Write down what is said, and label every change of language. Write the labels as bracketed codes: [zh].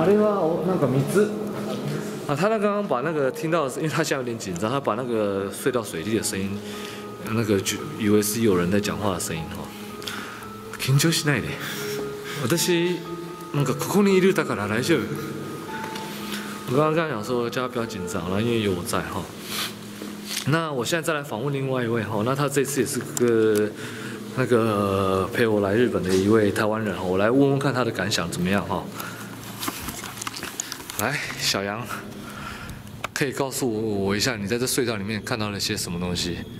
[ja] 。あれはなんか水、 [zh] 啊，他那刚刚把那个听到的，因为他现在有点紧张，他把那个隧道水滴的声音，那个就以为是有人在讲话的声音哦。 [ja] 緊張しないで。私なんかここにいるだから大丈夫。 [zh] 我刚刚讲说叫他不要紧张了，因为有我在哈。那我现在再来访问另外一位哈，那他这次也是个那个陪我来日本的一位台湾人哈，我来问问看他的感想怎么样哈。来，小杨。可以告诉我一下，你在这隧道里面看到了些什么东西？